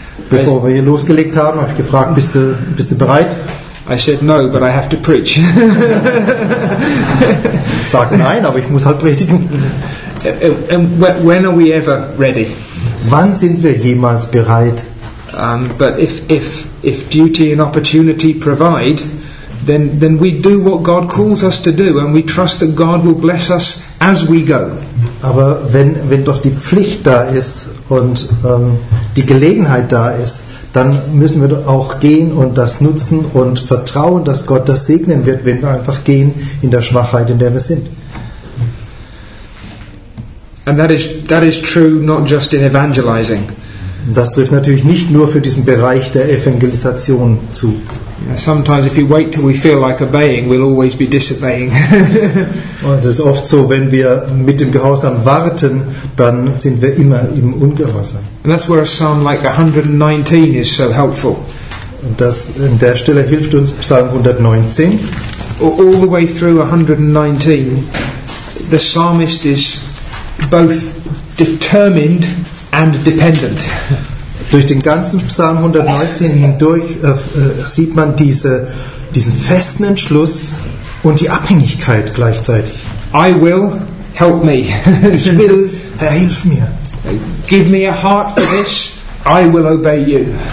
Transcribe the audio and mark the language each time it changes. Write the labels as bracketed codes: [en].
[de] Bevor wir hier losgelegt haben, habe ich gefragt, bist du bereit? [en] I said no, but I have to preach. [de] Sag nein, aber ich muss halt predigen. [en] When are we ever ready? [de] Wann sind wir jemals bereit? [en] But if duty and opportunity provide, then we do what God calls us to do, and we trust that God will bless us as we go. [de] Aber wenn doch die Pflicht da ist und die Gelegenheit da ist, dann müssen wir auch gehen und das nutzen und vertrauen, dass Gott das segnen wird, wenn wir einfach gehen in der Schwachheit, in der wir sind. [en] And that is true not just in evangelizing. [de] Das trifft natürlich nicht nur für diesen Bereich der Evangelisation zu. [en] Sometimes if you wait till we feel like obeying, we'll always be disobeying. [de] Und es ist oft so, wenn wir mit dem Gehorsam warten, dann sind wir immer im Ungehorsam. [en] And that's where a psalm like 119 is so helpful. [de] Und das an der Stelle hilft uns Psalm 119. [en] All the way through 119, the psalmist is both determined and dependent. [de] Durch den ganzen Psalm 119 hindurch sieht man diesen festen Entschluss und die Abhängigkeit gleichzeitig. [en] I will, help me. [de] Ich will, Herr, hilf mir. [en] Give me a heart for this. I will obey you.